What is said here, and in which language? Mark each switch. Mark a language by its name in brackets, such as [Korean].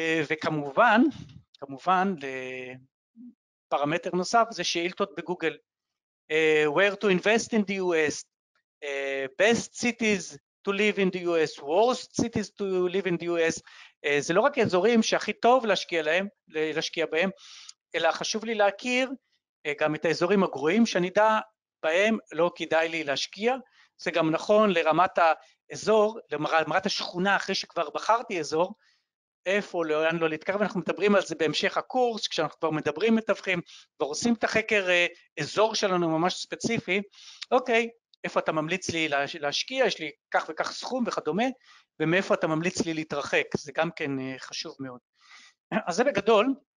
[Hebrew] וכמובן כמובן, לפרמטר נוסף, זה שאילתות בגוגל. [English] Where to invest in the US? Best cities to live in the US? Worst cities to live in the US? [Hebrew] זה לא רק אזורים שהכי טוב להשקיע בהם, אלא חשוב לי להכיר גם את האזורים הגרועים, שאני יודע בהם לא כדאי לי להשקיע. זה גם נכון לרמת האזור, לרמת השכונה, אחרי שכבר בחרתי אזור, איפה, לאן לא להתקרב, אנחנו מדברים על זה בהמשך הקורס, כשאנחנו כבר מדברים מתווכים, ועושים את החקר אזור שלנו ממש ספציפי, אוקיי, איפה אתה ממליץ לי להשקיע, יש לי כך וכך סכום וכדומה, ומאיפה אתה ממליץ לי להתרחק, זה גם כן חשוב מאוד. אז זה בגדול,